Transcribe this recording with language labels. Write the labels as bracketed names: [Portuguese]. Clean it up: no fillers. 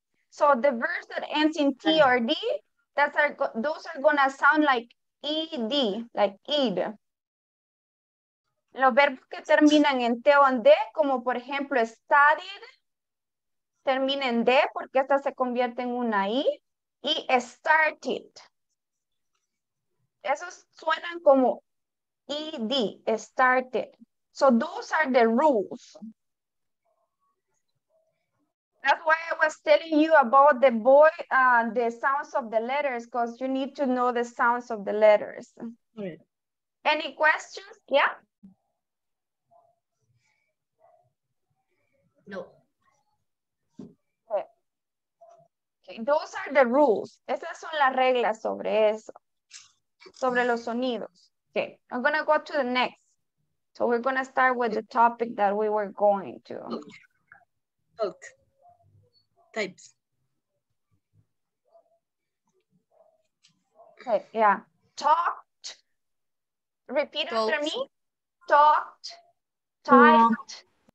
[English] So the verbs that ends in T or D, those are gonna sound like ED, like ED. [Spanish] Los verbos que terminan en T o en D, como por ejemplo, studied. termina en D porque esta se convierte en una I. Y started. Esos suenan como ED, started. [English] So those are the rules. That's why I was telling you about the boy, the sounds of the letters, because you need to know the sounds of the letters. Right. Any questions? Yeah? No. Okay. Okay. Those are the rules. [Spanish] Esas son las reglas sobre eso, sobre los sonidos. [English] Okay, I'm going to go to the next. So we're going to start with the topic that we were going to. Look. Types. Okay, yeah. Talked. Repeat talked. After me. Talked. Typed.